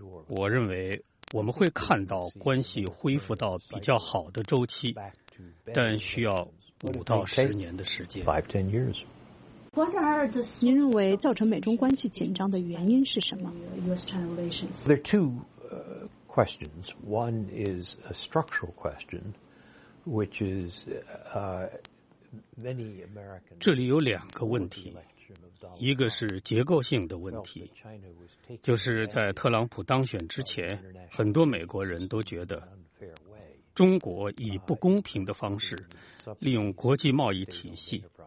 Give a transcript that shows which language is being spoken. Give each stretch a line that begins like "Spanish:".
Chinese: 我认为我们会看到关系恢复到比较好的周期，但需要5到10年的时间。您认为造成美中关系紧张的原因是什么？
English: There are two questions. One is a structural question, which is many Americans.
Chinese: 这里有两个问题，一个是结构性的问题，就是在特朗普当选之前，很多美国人都觉得中国以不公平的方式利用国际贸易体系。